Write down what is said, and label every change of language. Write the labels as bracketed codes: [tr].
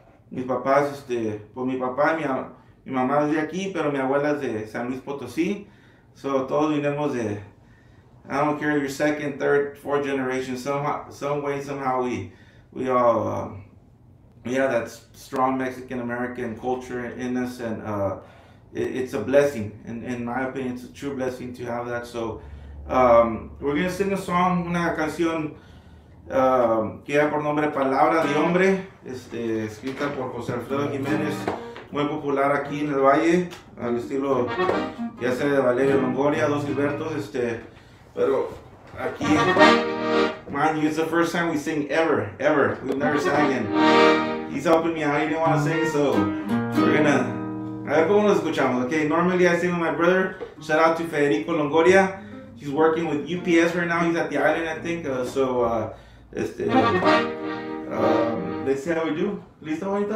[es] mis papás, mi papá, mi mamá es de aquí, pero mi abuela es de San Luis Potosí, so todos vinimos de, [en] I don't care if you're second, third, fourth generation, somehow we all, yeah, that's strong Mexican-American culture in us, and it's a blessing. In my opinion, it's a true blessing to have that. So we're going to sing a song, [es] una canción que lleva por nombre Palabra de Hombre, escrita por José Alfredo Jiménez, muy popular aquí en el Valle, al estilo ya sea de Valerio Longoria, Dos Gilbertos, pero aquí... [en] Mind you, it's the first time we sing ever. We've never sang it. He's helping me out. He didn't want to sing, so we're gonna. [es] A ver cómo nos escuchamos, [en] okay? Normally I sing with my brother. Shout out to Federico Longoria. He's working with UPS right now. He's at the island, I think. Let's see how we do. [es] ¿Listo, bonito?